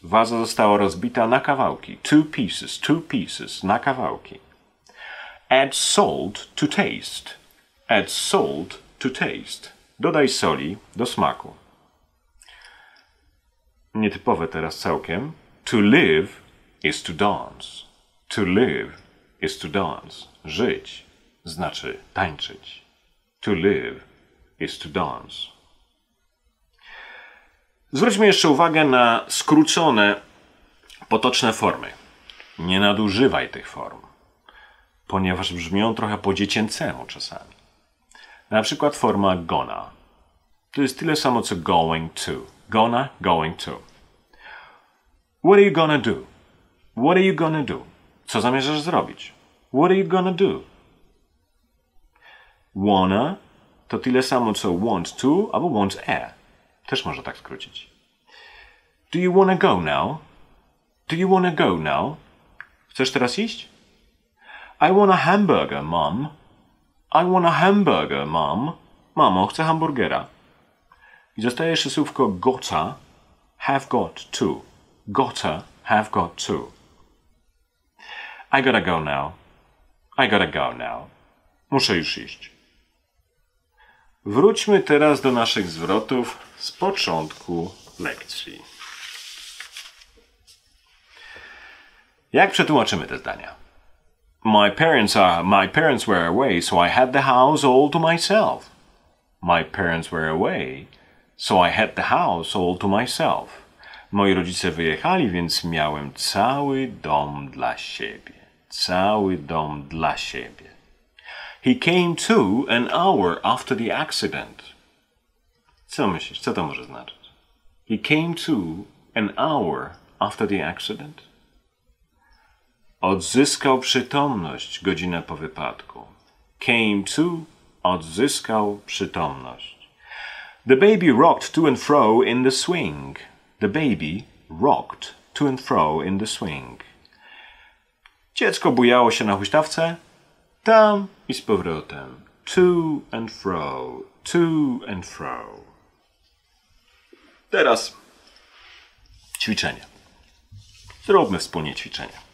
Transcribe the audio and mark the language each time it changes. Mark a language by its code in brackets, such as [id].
[pl] Waza została rozbita na kawałki. [en] Two pieces, [pl] na kawałki. [en] Add salt to taste. Add salt to taste. [pl] Dodaj soli do smaku. Nietypowe teraz całkiem. [en] To live is to dance. To live is to dance. [pl] Żyć znaczy tańczyć. [en] To live is to dance. [pl] Zwróćmy jeszcze uwagę na skrócone, potoczne formy. Nie nadużywaj tych form, ponieważ brzmią trochę po dziecięcemu czasami. Na przykład forma gonna. To jest tyle samo, co going to. [en] Gonna, going to. What are you gonna do? What are you gonna do? [pl] Co zamierzasz zrobić? [en] What are you gonna do? [pl] Wanna to tyle samo co want to albo want a. Też można tak skrócić. [en] Do you wanna go now? Do you wanna go now? [pl] Chcesz teraz iść? [en] I want a hamburger, mom. I want a hamburger, mom. [pl] Mamo, chcę hamburgera. I zostaje jeszcze słówko gotta, have got to. [en] Gotta, have got to. I gotta go now. I gotta go now. [pl] Muszę już iść. Wróćmy teraz do naszych zwrotów z początku lekcji. Jak przetłumaczymy te zdania? [en] My parents were away, so I had the house all to myself. My parents were away, so I had the house all to myself. [pl] Moi rodzice wyjechali, więc miałem cały dom dla siebie. Cały dom dla siebie. [en] He came to an hour after the accident. [pl] Co myślisz? Co to może znaczyć? [en] He came to an hour after the accident. [pl] Odzyskał przytomność godzinę po wypadku. Came to, odzyskał przytomność. [en] The baby rocked to and fro in the swing. The baby rocked to and fro in the swing. [pl] Dziecko bujało się na huśtawce. Tam i z powrotem. [en] To and fro, to and fro. [pl] Teraz ćwiczenie. Zróbmy wspólnie ćwiczenie.